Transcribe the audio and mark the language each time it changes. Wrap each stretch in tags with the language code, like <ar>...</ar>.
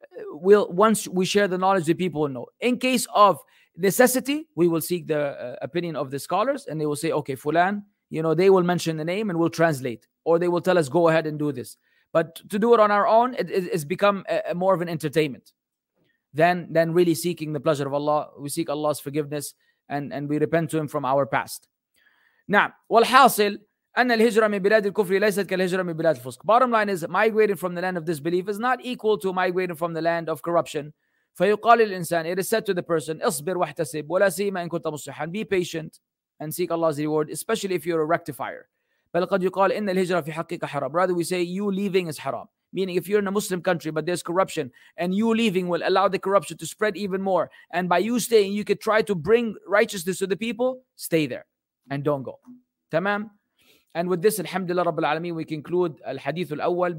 <en>Once we share the knowledge, the people will know. In case of necessity, we will seek the opinion of the scholars, and they will say, okay, Fulan, you know, they will mention the name and we'll translate. Or they will tell us, go ahead and do this. But to do it on our own, it's become more of an entertainment than really seeking the pleasure of Allah. We seek Allah's forgiveness. And we repent to him from our past.</en> <ar>Now, والحاصل أن الهجرة من بلاد الكفر ليست كالهجرة من بلاد الفسق.</ar> <en>Bottom line is, migrating from the land of disbelief is not equal to migrating from the land of corruption.</en> <ar>فيقال للإنسان,</ar> <en>it is said to the person,</en> <ar>اصبر واحتسب ولا سيما إن كنت مصلحا.</ar> <en>Be patient and seek Allah's reward, especially if you're a rectifier.</en> <ar>بل قد يقال إن الهجرة في حقيقة حرام.</ar> <en>Rather, we say you leaving is haram. Meaning, if you're in a Muslim country, but there's corruption, and you leaving will allow the corruption to spread even more, and by you staying, you could try to bring righteousness to the people, stay there and don't go. Tamam? And with this, Alhamdulillah Rabbil Alameen, we conclude Al-Hadith Al-Awwal.</en>